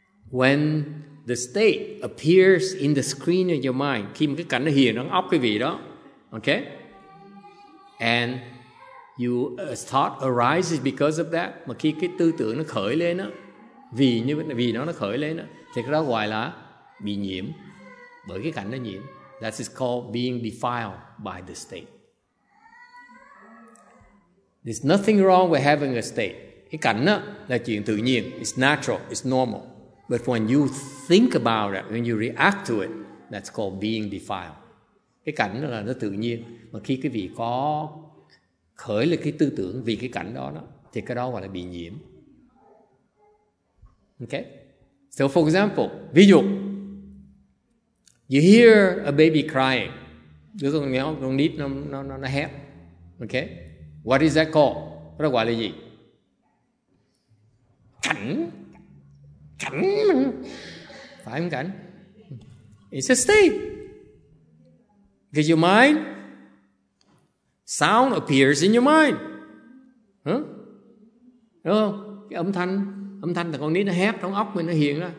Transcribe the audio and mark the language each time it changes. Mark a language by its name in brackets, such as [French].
[English] When the state appears in the screen of your mind. [Vietnamese] Khi mà cái cảnh nó hiện trong óc quý vị đó. Okay? [English] And you thought arises because of that. [Vietnamese] Mà khi cái tư tưởng nó khởi lên á. Vì nó khởi lên á. Thì cái đó gọi là bị nhiễm. Bởi cái cảnh nó nhiễm. [English] That is called being defiled by the state. There's nothing wrong with having a state. [Vietnamese] Cái cảnh á là chuyện tự nhiên. [English] It's natural. It's normal. But when you think about it, when you react to it, that's called being defiled. [Vietnamese] Cái cảnh đó là nó tự nhiên. Mà khi cái vị có khởi lên cái tư tưởng vì cái cảnh đó đó, thì cái đó gọi là bị nhiễm. [English] Okay? So for example, ví dụ, you hear a baby crying. [Vietnamese] Đứa con nít nó hét. Okay? [English] What is that called? [Vietnamese] Nó gọi là gì? Cảnh. Cảnh. Phải không cảnh? [English] It's a state. Because your mind, sound appears in your mind. [Vietnamese] Huh? Đúng không? Cái âm thanh là con nít nó hét trong óc mình nó hiện ra.